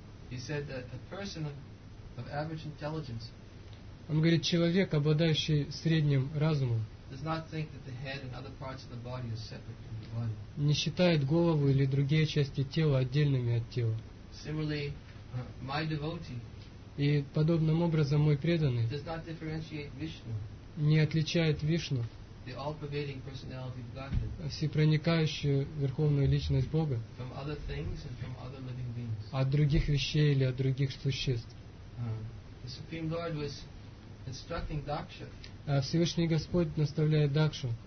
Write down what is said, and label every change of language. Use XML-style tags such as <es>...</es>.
<en>He said that a person of average intelligence,</en> <ru>он говорит, человек, обладающий средним разумом,</ru> <en>does not think that the head and other parts of the body are separate from the body.</en> <ru>Не считает голову или другие части тела отдельными от тела.</ru> <en>Similarly, my devotee,</en> <ru>и подобным образом мой преданный,</ru> <en>does not differentiate Vishnu,</en> <ru>не отличает Вишну,</ru> <en>the all-pervading personality of Godhead,</en> <ru>всепроникающую верховную личность Бога,</ru> <en>from other things and from other living beings,</en> <ru>от других вещей или от других существ.</ru> <en>The Supreme Lord was instructing Daksha,</en> <ru>Всевышний Господь наставляет Дакшу,</ru>